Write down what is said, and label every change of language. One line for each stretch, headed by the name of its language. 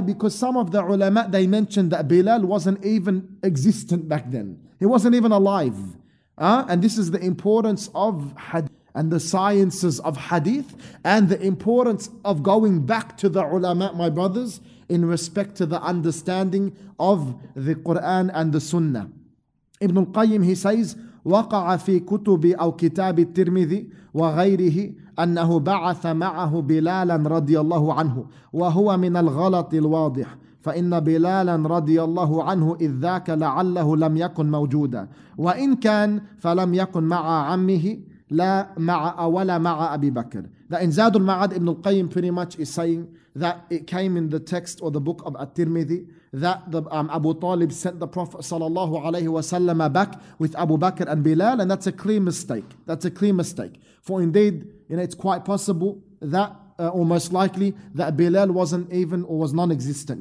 English: Because some of the ulama, they mentioned that Bilal wasn't even existent back then. He wasn't even alive. And this is the importance of hadith and the sciences of hadith and the importance of going back to the ulama, my brothers, in respect to the understanding of the Quran and the Sunnah. Ibn al-Qayyim, he says,
Arabic: وقع في كتب أو كتاب الترمذي وغيره أنه بعث معه بلالا رضي الله عنه وهو من الغلط الواضح فإن بلالا رضي الله عنه إذ ذاك لعله لم يكن موجودا وإن كان فلم يكن مع عمه لا مع ولا مع أبي بكر.
English: That in Zad al-Ma'ad, Ibn al-Qayyim pretty much is saying that it came in the text or the book of At-Tirmidhi that Abu Talib sent the Prophet sallallahu alayhi wa sallam back with Abu Bakr and Bilal, and that's a clear mistake. That's a clear mistake. For indeed, you know, it's quite possible that, or most likely, that Bilal wasn't even or was non-existent.